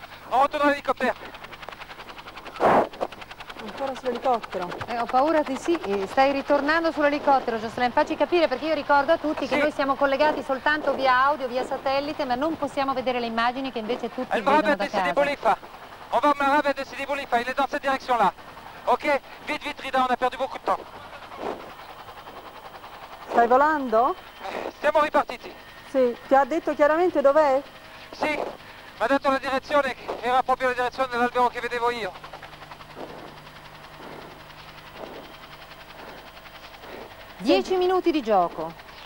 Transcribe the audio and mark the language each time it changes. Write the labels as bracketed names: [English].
[Italian] Otto dall'elicottero. Ancora sull'elicottero. Ho paura di sì, stai ritornando sull'elicottero, Jocelyn. Facci capire, perché io ricordo a tutti che noi siamo collegati soltanto via audio, via satellite, ma non possiamo vedere le immagini che invece tutti il vedono da casa. Il marabù di Sidi Boulifa. [French] On va au marabù di Sidi Boulifa, il est dans cette direction là. Ok, vite, Rida, on a perdu beaucoup de temps. [Italian] Stai volando? Siamo ripartiti. Sì, ti ha detto chiaramente dov'è? Sì, mi ha detto la direzione, che era proprio la direzione dell'albero che vedevo io. Dieci minuti di gioco.